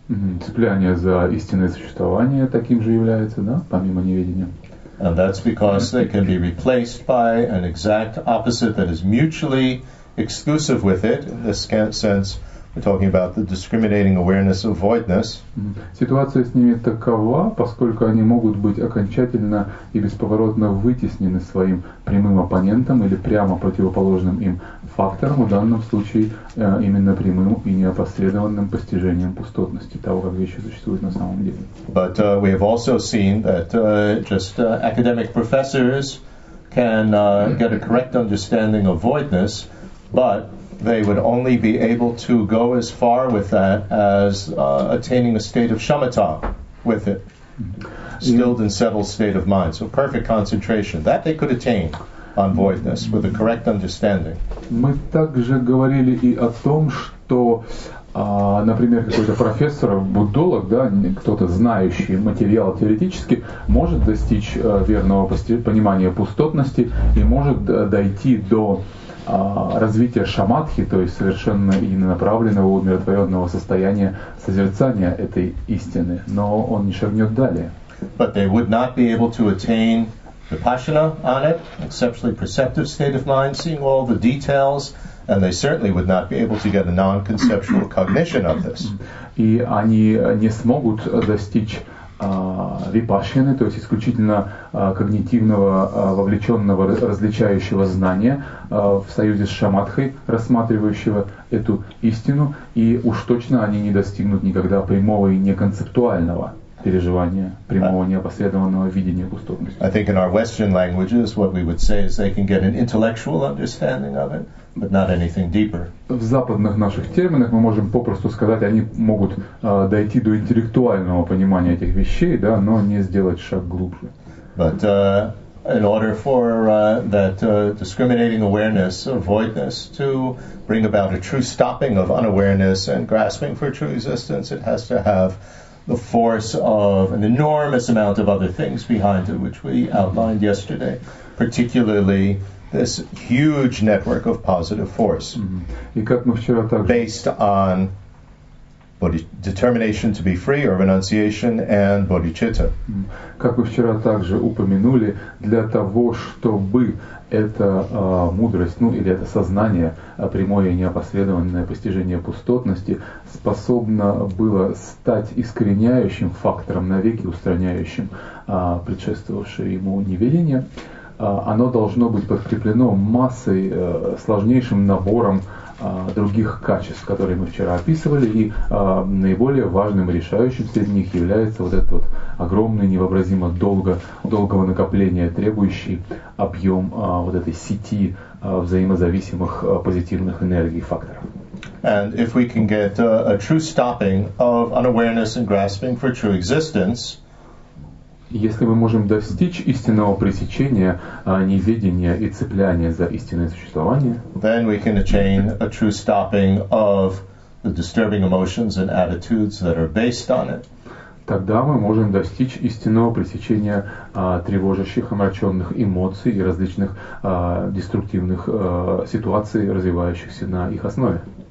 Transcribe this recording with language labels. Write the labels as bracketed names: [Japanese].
[Russian] Цепляние за истинное существование таким же является, да, помимо невидения. [English] And that's because they can be replaced by an exact opposite that is mutually exclusive with it. In this sense, we're talking about the discriminating awareness of voidness. [Russian] Ситуация с ними такова, поскольку они могут быть окончательно и бесповоротно вытеснены своим прямым оппонентом или прямо противоположным им фактором, в данном случае именно прямым и неопосредованным постижением пустотности того, как вещи существуют на самом деле. [English] But we have also seen that just academic professors can get a correct understanding of voidness, but they would only be able to go as far with that as attaining a state of shamatha with it, stilled and settled state of mind, so perfect concentration, that they could attain on voidness with a correct understanding. [Russian] Мы также говорили и о том, что например, какой-то профессор, буддолог, да, кто-то знающий материал теоретически, может достичь верного понимания пустотности и может дойти до развития шамадхи, то есть совершенно единонаправленного умиротворенного состояния созерцания этой истины, но он не шагнет далее. [English] But they would not be able to attain vipassana on it, exceptionally perceptive state of mind, seeing all the details, and they certainly would not be able to get a non-conceptual cognition of this. [Russian] И они не смогут достичь випашьяны, то есть исключительно когнитивного, вовлеченного, различающего знания в союзе с шамадхой, рассматривающего эту истину, и уж точно они не достигнут никогда прямого и неконцептуального переживания прямого непосредственного видения кустовности. [English] I think in our Western languages, what we would say is they can get an intellectual understanding of it, but not anything deeper. [Russian] В западных наших терминах мы можем попросту сказать, они могут дойти до интеллектуального понимания этих вещей, да, но не сделать шаг глубже. [English] But in order for that discriminating awareness or voidness to bring about a true stopping of unawareness and grasping for true existence, it has to have the force of an enormous amount of other things behind it, which we outlined yesterday, particularly this huge network of positive force based on determination to be free or renunciation and bodhicitta. [Russian] Как вы вчера также упомянули, для того, чтобы эта мудрость, ну или это сознание, прямое и непосредственное постижение пустотности, способно было стать искореняющим фактором, навеки устраняющим предшествовавшее ему неведение, оно должно быть подкреплено массой, сложнейшим набором других качеств, которые мы вчера описывали, и наиболее важным и решающим среди них является вот этот вот огромный, невообразимо долгого накопления, требующий объем вот этой сети взаимозависимых позитивных энергий и факторов. [English] And if we can get a true stopping of unawareness and grasping for true existence, [Russian] если мы можем достичь истинного пресечения неведения и цепляния за истинное существование, [English] then we can attain a true stopping of the disturbing emotions and attitudes that are based on it. [Russian] Тогда мы можем достичь истинного пресечения тревожащих, омраченных эмоций и различных деструктивных ситуаций, развивающихся на их основе.